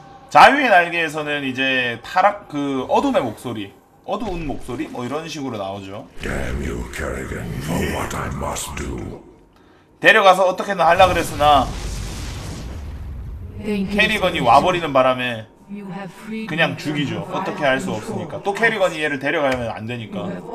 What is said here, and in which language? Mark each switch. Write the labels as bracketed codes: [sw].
[ko] 자유의 날개에서는 이제 타락 그 어둠의 목소리, 어두운 목소리 뭐 이런 식으로 나오죠. [en] Damn you, Kerrigan, for what I must do. [ko] 데려가서 어떻게든 하려 그랬으나 캐리건이 와버리는 바람에 그냥 죽이죠. 어떻게 할 수 없으니까. 또 캐리건이 얘를 데려가면 안 되니까.